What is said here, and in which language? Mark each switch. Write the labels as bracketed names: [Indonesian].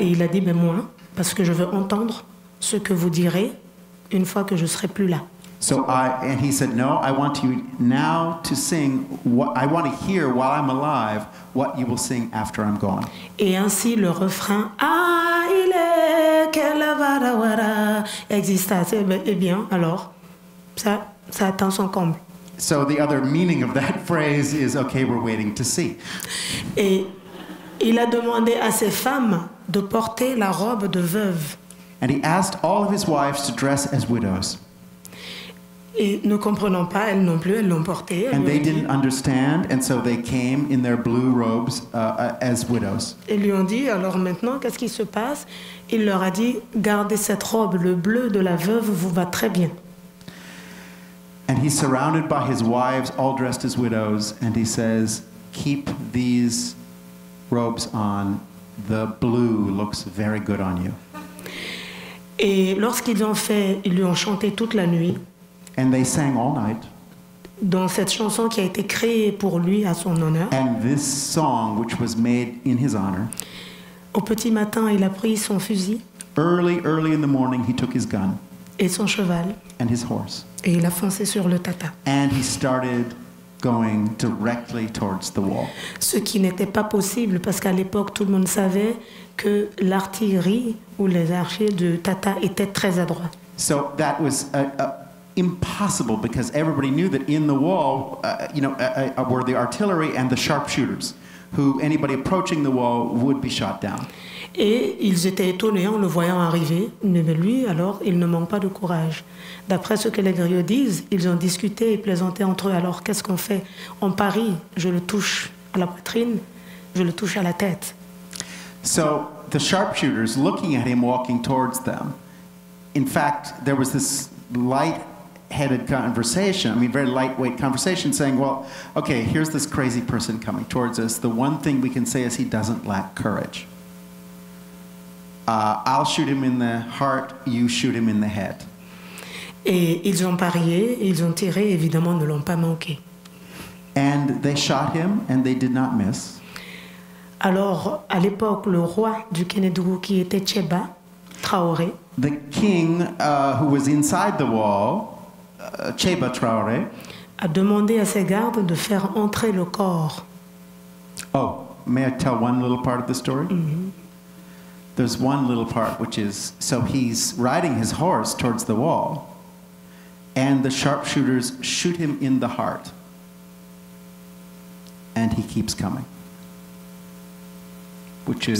[French] Et il a dit, mais moi, parce que je veux entendre ce que vous direz une fois que je serai plus là. [English] And he said, no, I want you now to sing, I want to hear while I'm alive what you will sing after I'm gone. [French] Et ainsi le refrain, ah, il est, quelle vara vara, exista. Eh bien, alors, ça atteint son comble. [English] So the other meaning of that phrase is, okay, we're waiting to see. [French] Et il a demandé à ses femmes de porter la robe de veuve. [English] And he asked all of his wives to dress as widows. [French] Et ne comprenant pas, elles non plus, elles l'ont porté. [English] And they didn't understand, and so they came in their blue robes as widows. [French] Et lui ont dit, alors maintenant, qu'est-ce qui se passe? Il leur a dit, gardez cette robe, le bleu de la veuve vous va très bien. [English] And he's surrounded by his wives, all dressed as widows, and he says, keep these robes on, the blue looks very good on you. [French] Et lorsqu'ils ont fait, ils lui ont chanté toute la nuit. [English] And they sang all night. [French] Dans cette chanson qui a été créée pour lui à son honneur. [English] And this song, which was made in his honor. [French] Au petit matin, il a pris son fusil. [English] Early, early in the morning, he took his gun. [French] Et son cheval. [English] And his horse. [French] Et il a foncé sur le tata. [English] And he started going directly towards the wall. [French] Ce qui n'était pas possible parce qu'à l'époque, tout le monde savait que l'artillerie ou les archers de tata étaient très adroits. [English] So that was impossible because everybody knew that in the wall were the artillery and the sharpshooters who anybody approaching the wall would be shot down. [French] Et ils étaient étonnés en le voyant arriver, mais lui alors il ne manque pas de courage. D'après ce que les griots disent, ils ont discuté et plaisanté entre eux, alors qu'est-ce qu'on fait? On parie, je le touche à la poitrine, je le touche à la tête. [English] So the sharpshooters looking at him walking towards them, in fact there was this light-headed conversation, I mean very lightweight conversation, saying, well, okay, here's this crazy person coming towards us. The one thing we can say is he doesn't lack courage. I'll shoot him in the heart, you shoot him in the head. [French] Et ils ont parié, ils ont tiré, évidemment ne l'ont pas manqué. [English] And they shot him and they did not miss. [French] Alors, à l'époque, le roi du Kénédougou qui était Tcheba, Traoré, [English] the king who was inside the wall Cheba Traoré [French] a demandé à ses gardes de faire entrer le corps. [English] Oh, may I tell one little part of the story? Mm-hmm. There's one little part which is, so he's riding his horse towards the wall, and the sharpshooters shoot him in the heart, and he keeps coming, which is